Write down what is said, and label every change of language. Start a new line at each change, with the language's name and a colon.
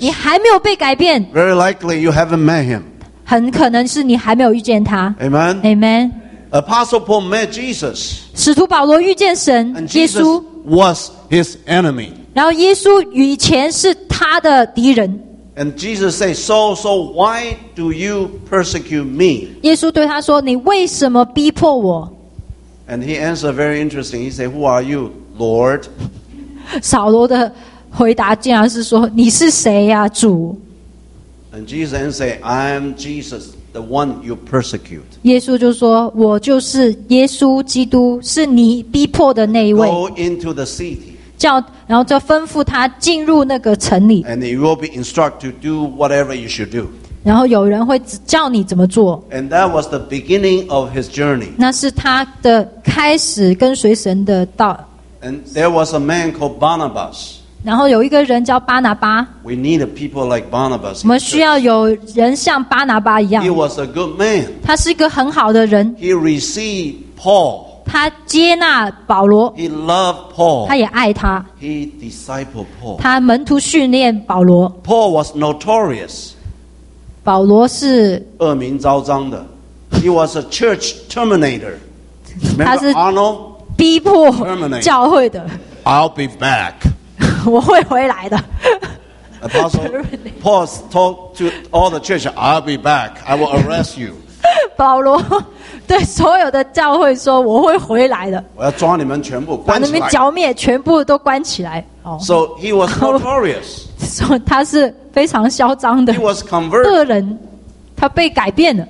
Chinese: 你还没有被改变，
English: very likely you haven't met him.
Chinese: 很可能是你还没有遇见他。
English: Amen. Amen. Apostle Paul met Jesus.
Chinese: 使徒保罗遇见神，耶稣。
English: Jesus was his enemy.
Chinese: 然后耶稣以前是他的敌人。
English: And Jesus said, "So, why do you persecute me?"
Chinese: 耶稣对他说，你为什么逼迫我？
English: And he answered very interesting. He said, "Who are you, Lord?"
Chinese: 扫罗的回答竟然是说，你是谁呀，主？
English: And Jesus said, "I am Jesus." The one you persecute.
Chinese: 耶稣就说，我就是耶稣基督，是你逼迫的那一位。
English: Go into the city.
Chinese: 叫，然后就吩咐他进入那个城里。
English: And you will be instructed to do whatever you should do.
Chinese: 然后有人会教你怎么做。
English: And that was the beginning of his journey.
Chinese: 那是他的开始，跟随神的道。
English: And there was a man called Barnabas.
Chinese: 然后有一个人叫巴拿巴。
English: We need people like Barnabas.
Chinese: 我们需要有人像巴拿巴一样。
English: He was a good man.
Chinese: 他是一个很好的人。
English: He received Paul.
Chinese: 他接纳保罗。
English: He loved Paul.
Chinese: 他也爱他。
English: He discipled Paul.
Chinese: 他门徒训练保罗。
English: Paul was notorious.
Chinese: 保罗是恶名昭彰的。
English: He was a church terminator. Remember Arnold?
Chinese: 逼迫教会的。
English: I'll be back.
Chinese: 我会回来的。
English: Apostle Paul talked to all the church, I'll be back. I will arrest you.
Chinese: 保罗对所有的教会说我会回来的。我要抓你们全部关起来。把你们剿灭全部都关起来。
English: So he was notorious.
Chinese: 他是非常嚣张的。
English: He was converted.
Chinese: 个人他被改变了。